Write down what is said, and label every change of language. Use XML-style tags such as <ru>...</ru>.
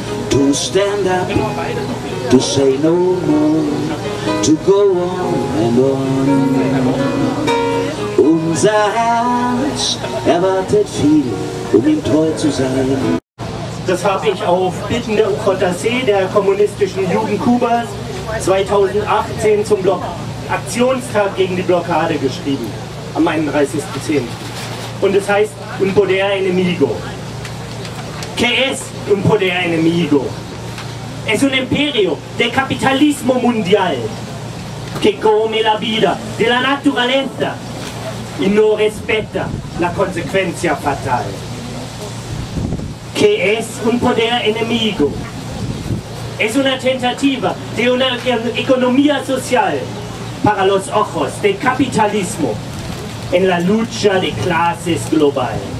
<en>To stand up, to say no more, to go on and on.</en> <de>Unser Herz erwartet viel, ihm treu zu sein. Das habe ich auf Bitten der UJC, der kommunistischen Jugend Kubas, 2018 zum Aktionstag gegen die Blockade geschrieben, am 31.10. Und es heißt Un Poder Enemigo.</de> <es>¿Qué es un poder enemigo? Es un imperio del capitalismo mundial que come la vida de la naturaleza y no respeta la consecuencia fatal. ¿Qué es un poder enemigo? Es una tentativa de una economía social para los ojos del capitalismo en la lucha de clases global.</es>